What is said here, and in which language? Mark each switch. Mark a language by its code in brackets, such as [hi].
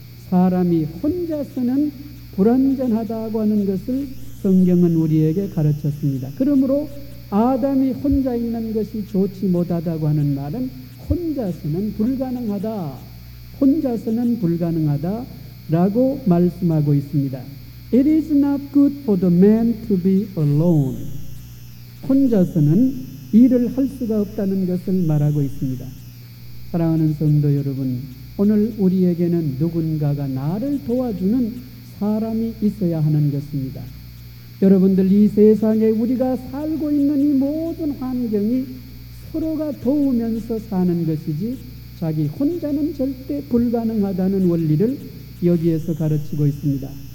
[ko] 사람이 혼자서는 불완전하다고 하는 것을 성경은 우리에게 가르쳤습니다. 그러므로 아담이 혼자 있는 것이 좋지 못하다고 하는 말은 혼자서는 불가능하다, 혼자서는 불가능하다라고 말씀하고 있습니다. [en] It is not good for the man to be alone. [ko] 혼자서는 일을 할 수가 없다는 것을 말하고 있습니다. 사랑하는 성도 여러분, 오늘 우리에게는 누군가가 나를 도와주는 사람이 있어야 하는 것입니다. 여러분들, 이 세상에 우리가 살고 있는 이 모든 환경이 서로가 도우면서 사는 것이지 자기 혼자는 절대 불가능하다는 원리를 여기에서 가르치고 있습니다.